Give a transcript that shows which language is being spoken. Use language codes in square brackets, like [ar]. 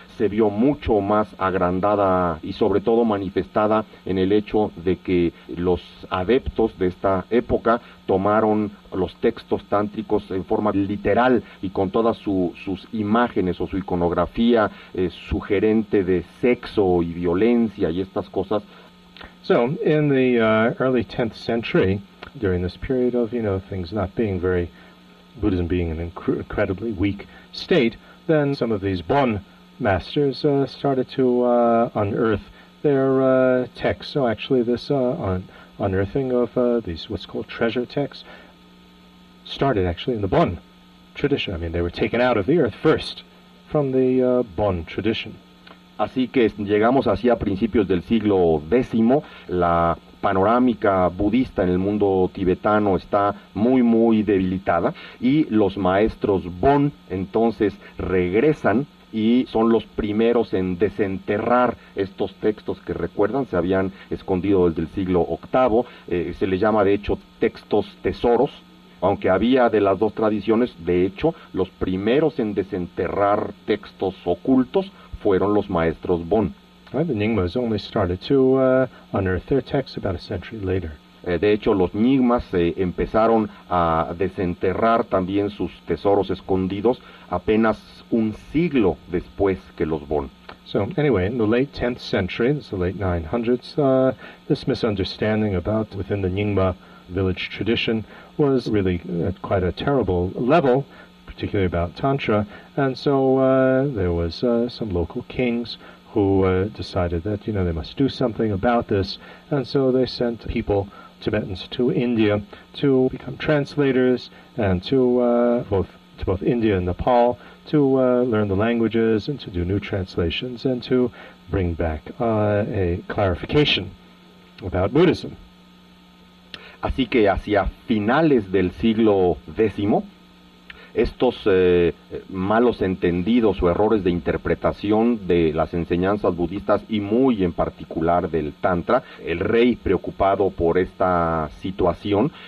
[es] se vio mucho más agrandada y sobre todo manifestada en el hecho de que los adeptos de esta época tomaron los textos tántricos en forma literal y con todas sus imágenes o su iconografía sugerente de sexo y violencia y estas cosas. [en] So, in the early 10th century, during this period of, you know, things not being very, Buddhism being an incredibly weak state, then some of these Bon masters started to unearth their texts. So actually this unearthing of these what's called treasure texts started actually in the Bon tradition. I mean, they were taken out of the earth first from the Bon tradition. [es] Así que llegamos hacia principios del siglo décimo, la panorámica budista en el mundo tibetano está muy, muy debilitada, y los maestros Bon entonces regresan y son los primeros en desenterrar estos textos que, recuerdan, se habían escondido desde el siglo octavo. Se les llama de hecho textos tesoros, aunque había de las dos tradiciones, de hecho, los primeros en desenterrar textos ocultos fueron los maestros Bon. [en] The Nyingmas only started to unearth their texts about a century later. [es] De hecho, los Nyingmas empezaron a desenterrar también sus tesoros escondidos apenas un siglo después que los Bon. [en] So, anyway, in the late 10th century, it's the late 900s, this misunderstanding about within the Nyingma village tradition was really at quite a terrible level, particularly about Tantra, and so there was some local kings who decided that, you know, they must do something about this, and so they sent people, Tibetans, to India to become translators and to both India and Nepal to learn the languages and to do new translations and to bring back a clarification about Buddhism. [es] Así que hacia finales del siglo décimo, estos malos entendidos o errores de interpretación de las enseñanzas budistas y muy en particular del Tantra, el rey, preocupado por esta situación,